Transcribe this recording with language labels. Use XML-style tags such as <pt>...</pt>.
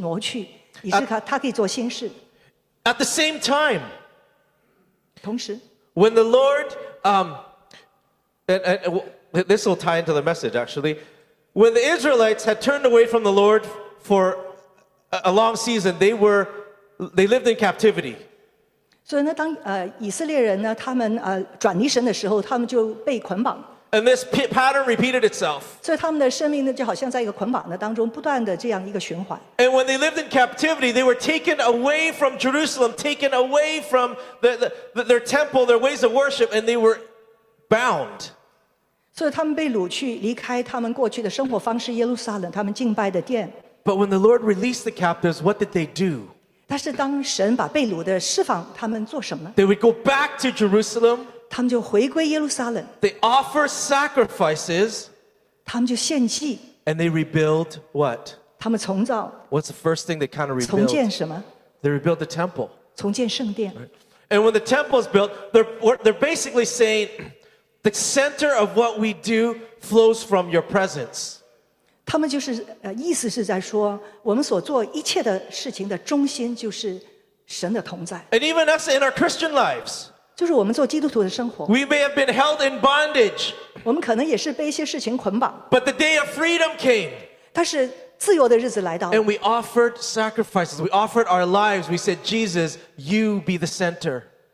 <zh>就是这个季节所不需要的旧东西挪去，以致它可以做新事。</zh> <en>At the same time,</en> <zh>同时,</zh> <en>when the Lord, this will tie into the message, actually. When the Israelites had turned away from the Lord for a long season, they lived in captivity.</en> <zh>所以呢，当以色列人呢，他们转离神的时候，他们就被捆绑。</zh> <en>And this pattern repeated itself.</en> <zh>所以他们的生命呢，就好像在一个捆绑的当中，不断的这样一个循环。</zh> <en>And when they lived in captivity, they were taken away from Jerusalem, taken away from their temple, their ways of worship, and they were bound.</en> <zh>所以他们被掳去，离开他们过去的生活方式，耶路撒冷，他们敬拜的殿。</zh> <en>But when the Lord released the captives, what did they do?</en> <zh>但是当神把被掳的释放，他们做什么呢？</zh> <en>They would go back to Jerusalem.</en> <zh>他们就回归耶路撒冷。</zh> <en>They offer sacrifices.</en> <zh>他们就献祭。</zh> <en>And they rebuild what?</en> <zh>他们重造。</zh> <en>What's the first thing they kind of rebuild?</en> <zh>重建什么？</zh> <en>They rebuild the temple.</en> <zh>重建圣殿。</zh> <en>And when the temple is built, they're basically saying, the center of what we do flows from your presence.</en> <zh>他们就是意思是在说，我们所做一切的事情的中心就是神的同在。</zh> <en>And even us in our Christian lives,</en> <zh>就是我们做基督徒的生活,</zh> <en>we may have been held in bondage,</en> <zh>我们可能也是被一些事情捆绑,</zh> <en>but the day of freedom came,</en> <zh>但是自由的日子来到,</zh> <en>and we offered sacrifices, we offered our lives, we said, Jesus, you be the center.</en>